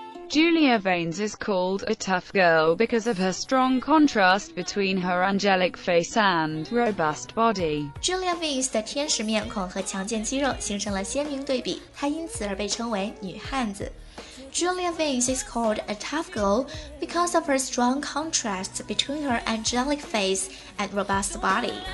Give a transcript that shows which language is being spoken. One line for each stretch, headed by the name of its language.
English: Julia Vance is called a tough girl because of her strong contrast between her angelic face and robust body.
Chinese: Julia Vance 的天使面孔和强健肌肉形成了鲜明对比，她因此而被称为女汉子。
English: Julia Vance is called a tough girl because of her strong contrast between her angelic face and robust body.